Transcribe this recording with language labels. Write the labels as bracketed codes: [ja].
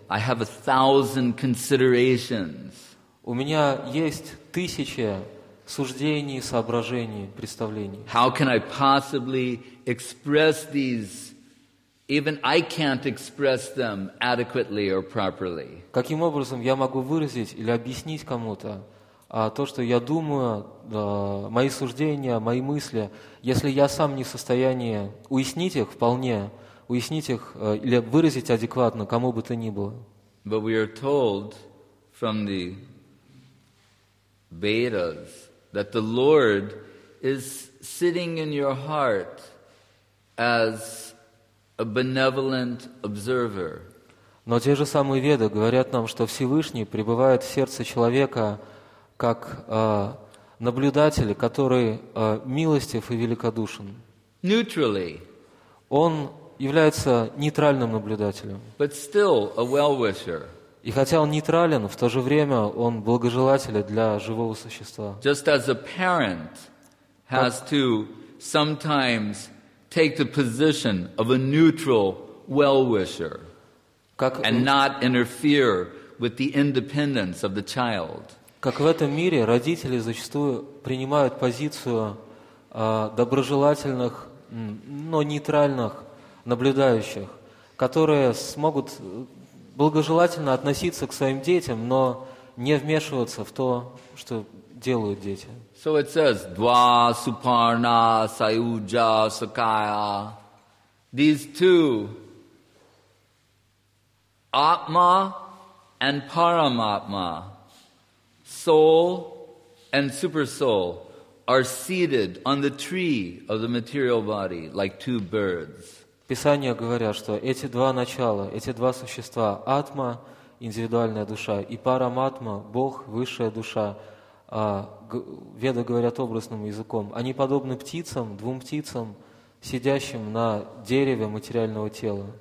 [en] I have a thousand considerations. [ru] У меня есть тысячи суждений, соображений, представлений. [en] How can I possibly express these? Even I can't express them adequately or properly. [ru] Каким образом я могу выразить или объяснить кому-то то, что я думаю, мои суждения, мои мысли, если я сам не в состоянии уяснить их вполне, уяснить их или выразить адекватно кому бы то ни было? [en] But we are told from the Vedas that the Lord is sitting in your heart as a benevolent observer. [ru] Но те же самые веды говорят нам, что Всевышний пребывает в сердце человека как наблюдатель, который милостив и великодушен. [en] Neutrally. [ru] Он является нейтральным наблюдателем. [en] But still a well-wisher. [ru] И хотя он нейтрален, в то же время он благожелатель для живого существа. [en] Just as a parent has to sometimes take the position of a neutral well-wisher and not interfere with the independence of the child. [ru] Как в этом мире родители зачастую принимают позицию доброжелательных, но нейтральных наблюдающих, которые смогут благожелательно относиться к своим детям, но не вмешиваться в то, что делают дети. [en] So it says, [sa] Dva, Suparna, Sayuja, Sakaya. [en] These two, Atma and Paramatma, soul and super soul, are seated on the tree of the material body like two birds. [ru] Писания говорят, что эти два начала, эти два существа, атма, индивидуальная душа, и параматма, Бог, высшая душа, веды говорят образным языком, они подобны птицам, двум птицам, сидящим на дереве материального тела.